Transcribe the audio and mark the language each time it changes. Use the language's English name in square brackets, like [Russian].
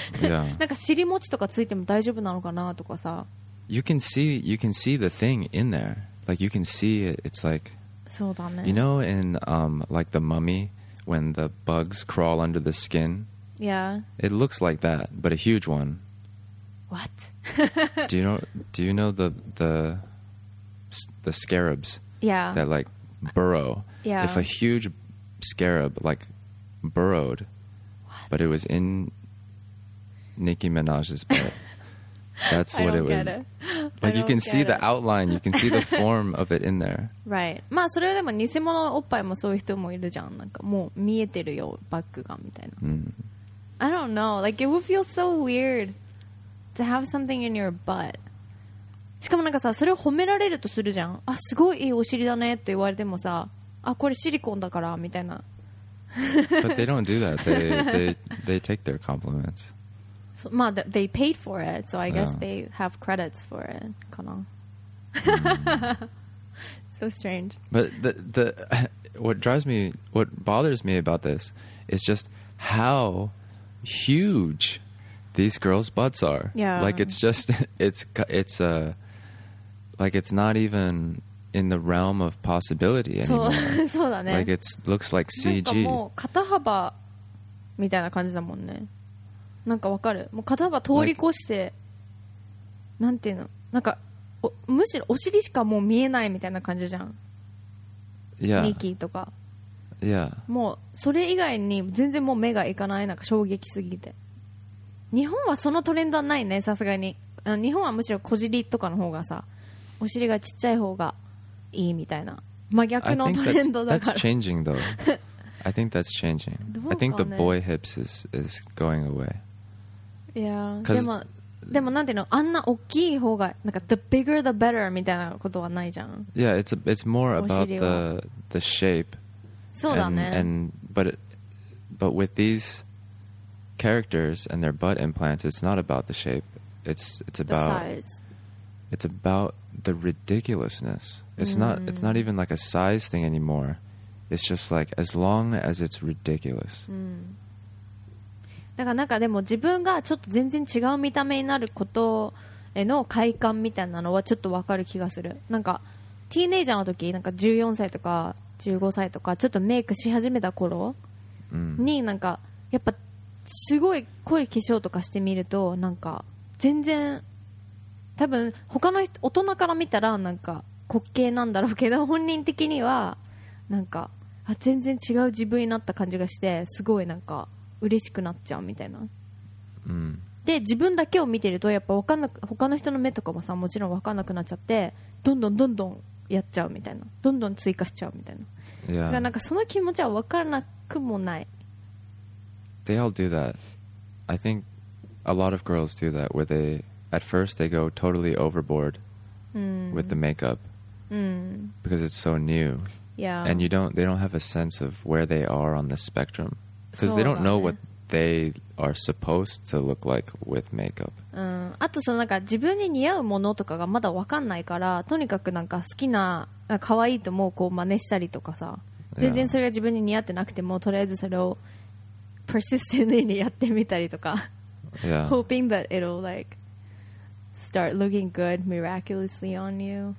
[Japanese] なんか尻餅とかついても大丈夫なのかなとかさ。 [English] You can see the thing in there. Like you can see it. It's like [Japanese] そうだね。 [English] You know in like the mummy when the bugs crawl under the skin. Yeah. It looks like that, but a huge one. What? do you know the scarabs? Yeah. That like burrow. Yeah. If a huge scarab like burrowed, but it was in Nicki Minaj's butt. That's what it would. Like you can see the outline, you can see the form of it in there. Right. [Japanese] まあそれはでも偽物のおっぱいもそういう人もいるじゃん。なんかもう見えてるよ、バッグがみたいな。 [English] I don't know. Like it would feel so weird to have something in your butt. [Japanese] しかもなんかさ、それを褒められるとするじゃん。あ、すごいいいお尻だねって言われてもさ、あ、これシリコンだからみたいな。 [English] But they don't do that. They take their compliments. So, [Japanese] まあ、 [English] they paid for it, so I guess they have credits for it, [Japanese] かな。 [English] So strange. But what bothers me about this is just how huge these girls' butts are. Yeah. Like it's just, it's not even in the realm of possibility anymore. [Japanese] そうだね。 [English] Like it looks like CG. [Japanese] なんかもう肩幅みたいな感じだもんね。なんかわかる。もう肩幅通り越して、like, なんていうの、なんかむしろお尻しかもう見えないみたいな感じじゃん。 [English] Yeah. [Japanese] ミキーとか。 [English] Yeah. [Japanese] もうそれ以外に全然もう目がいかない、なんか衝撃すぎて。日本はそのトレンドはないね、さすがに。日本はむしろ小尻とかの方がさ、お尻がちっちゃい方がいいみたいな。真逆のトレンドだから。 [English] That's changing though. I think that's changing. I think the boy hips is going away. Yeah. [Japanese] でもなんていうの、あんな大きい方がなんか [English] the bigger the better [Japanese] みたいなことはないじゃん。 [English] Yeah, it's more about the shape. [Japanese] そうだね。 [English] But with these characters and their butt implants, it's not about the shape. It's about the size. It's about the ridiculousness. It's not even like a size thing anymore. It's just like as long as it's ridiculous. [Japanese] だからなんかでも自分がちょっと全然違う見た目になることへの快感みたいなのはちょっとわかる気がする。なんかティーネイジャーの時、なんか14歳とか15歳とかちょっとメイクし始めた頃になんかやっぱすごい濃い化粧とかしてみるとなんか全然多分他の大人から見たらなんか滑稽なんだろうけど本人的にはなんかあ全然違う自分になった感じがしてすごいなんか嬉しくなっちゃうみたいな、で自分だけを見てるとやっぱ分かんなく他の人の目とかもさもちろん分かんなくなっちゃってどんどんどんどんやっちゃうみたいなどんどん追加しちゃうみたいな、 [English] yeah. [Japanese] だからなんかその気持ちは分からなくもない。 [English] They all do that. I think a lot of girls do that where they at first they go totally overboard with the makeup because it's so new Yeah. And they don't have a sense of where they are on the spectrum. Because they don't know what they are supposed to look like with makeup. [Japanese] あとそのなんか自分に似合うものとかがまだ分かんないから、とにかくなんか好きな、可愛いと思うこう真似したりとかさ、全然それが自分に似合ってなくても、とりあえずそれを persistently にやってみたりとか、 [English] yeah. hoping that it'll like start looking good miraculously on you.